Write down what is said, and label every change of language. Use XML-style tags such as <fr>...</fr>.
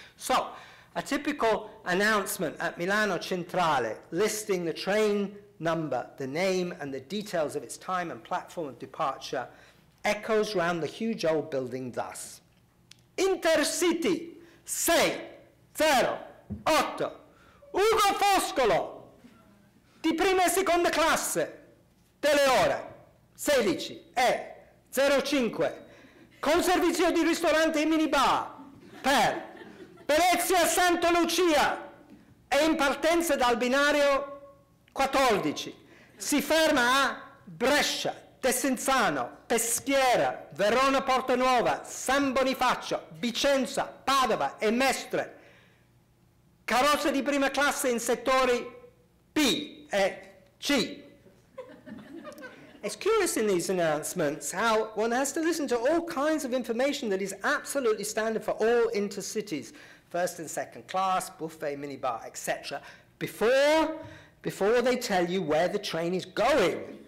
<en>So, a typical announcement at Milano Centrale listing the train number, the name, and the details of its time and platform of departure echoes round the huge old building thus.</en> <it>Intercity 6 0 8 Ugo Foscolo, di prima e seconda classe, delle ore 16:05, con servizio di ristorante e minibar, per Perezia Santa Lucia, e in partenza dal binario 14, si ferma a Brescia, Tessenzano, Peschiera, Verona Porta Nuova, San Bonifacio, Vicenza, Padova e Mestre. Carrozze di prima classe in settori B e C.</it> <en>It's curious in these announcements how one has to listen to all kinds of information that is absolutely standard for all intercities, first and second class, buffet, minibar, etc., before they tell you where the train is going.</en>